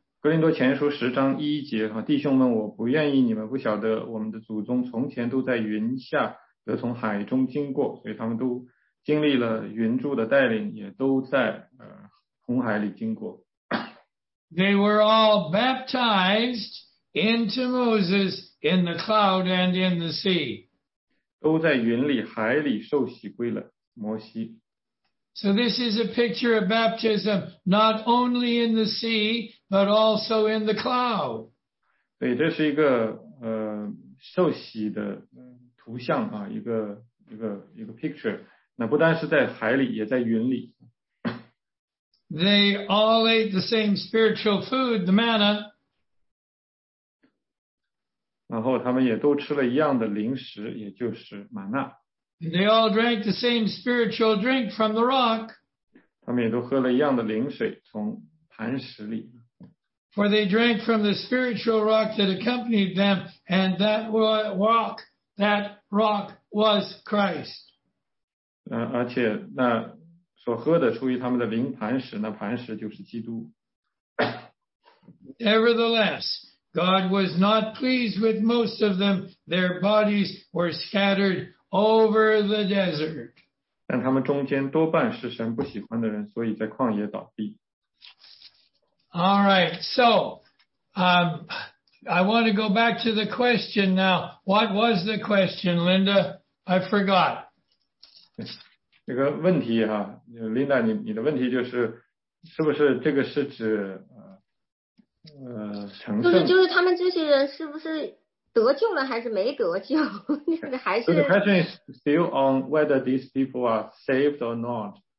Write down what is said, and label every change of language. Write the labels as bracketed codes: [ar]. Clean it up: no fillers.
[zh] 哥林多前书十章一节，弟兄们，我不愿意你们不晓得我们的祖宗从前都在云下得从海中经过，所以他们都经历了云柱的带领，也都在红海里经过。 [en] They were all baptized into Moses in the cloud and in the sea. [zh] 都在云里海里受洗归了，摩西。 [en] So this is a picture of baptism, not only in the sea, but also in the cloud. [zh] 对，这是一个受洗的图像啊，一个 picture。那不单是在海里，也在云里。 [en] They all ate the same spiritual food, the manna. [zh] 然后他们也都吃了一样的零食，也就是玛纳。 [en] They all drank the same spiritual drink from the rock. [zh] 他们也都喝了一样的灵水，从磐石里。 [en] For they drank from the spiritual rock that accompanied them, and that rock was Christ. [zh] 而且那所喝的出于他们的灵磐石，那磐石就是基督。 [en] Nevertheless, God was not pleased with most of them. Their bodies were scattered over the desert. [zh] 但他们中间多半是神不喜欢的人，所以在旷野倒闭。 [en] All right, so I want to go back to the question now. What was the question, Linda? I forgot. [zh] 这个问题哈、啊、，Linda， 你的问题就是，是不是这个是指成圣？就是他们这些人是不是？得救了还是没得救？还是 [en] So the question is still on whether these people are saved or not.